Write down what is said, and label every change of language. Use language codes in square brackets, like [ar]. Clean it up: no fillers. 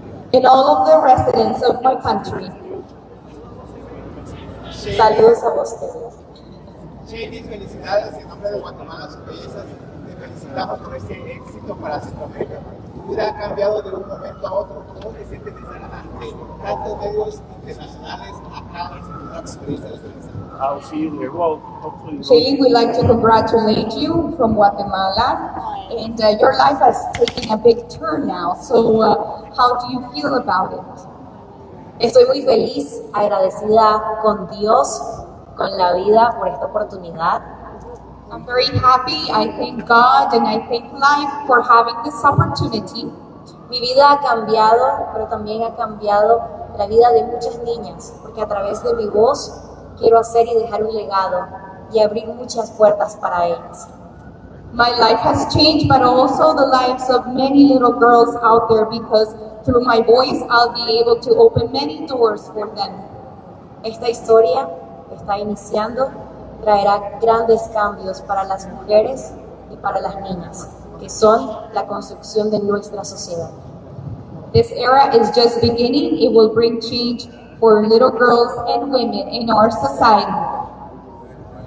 [en] And all of the residents of my country. [es] Saludos a vos. Shanice, felicidades en nombre de Guatemala, sus bellezas. Te felicitamos por este éxito para Centroamérica. Tu vida ha cambiado de un momento a otro. ¿Cómo te sientes de estar ante tantos medios internacionales acá en Centroamérica? [en] Shailene, we'd like to congratulate you from Guatemala, and your life has taken a big turn now, so how do you feel about it? [es] Estoy muy feliz, agradecida con Dios, con la vida por esta oportunidad. [en] I'm very happy, I thank God and I thank life for having this opportunity. [es] Mi vida ha cambiado, pero también ha cambiado la vida de muchas niñas, porque a través de mi voz quiero hacer y dejar un legado y abrir muchas puertas para ellas. [en] My life has changed, but also the lives of many little girls out there, because through my voice I'll be able to open many doors for them. [es] Esta historia está iniciando, traerá grandes cambios para las mujeres y para las niñas, que son la construcción de nuestra sociedad. [en] This era is just beginning. It will bring change for little girls and women in our society.